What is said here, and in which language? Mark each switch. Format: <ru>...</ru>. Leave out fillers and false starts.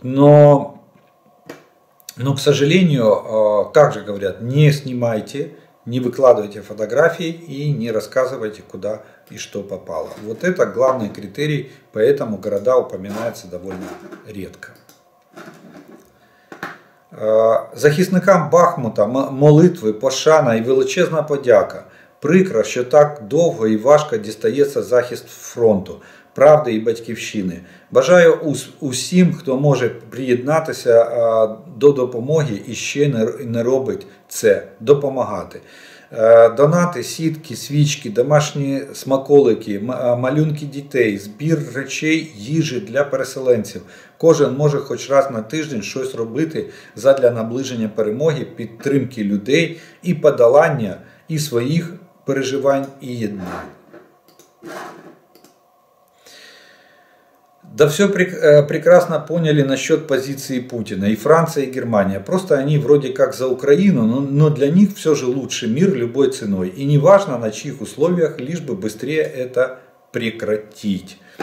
<ru>Но, к сожалению, как же говорят, не снимайте, не выкладывайте фотографии и не рассказывайте, куда и что попало. Вот это главный критерий, поэтому города упоминаются довольно редко.</ru> <uk>Захисникам Бахмута молитви, пошана і величезна подяка. Прикро, що так довго і важко дістається захист фронту, правди і батьківщини. Бажаю усім, хто може приєднатися до допомоги і ще не робить це, допомагати. Донати, сітки, свічки, домашні смаколики, малюнки дітей, збір речей, їжі для переселенців. Кожен може хоч раз на тиждень щось робити задля наближення перемоги, підтримки людей і подолання і своїх переживань і єднань.</uk> <ru>Да все прекрасно поняли насчет позиции Путина. И Франция, и Германия. Просто они вроде как за Украину, но для них все же лучше мир любой ценой. И не важно на чьих условиях, лишь бы быстрее это прекратить.</ru>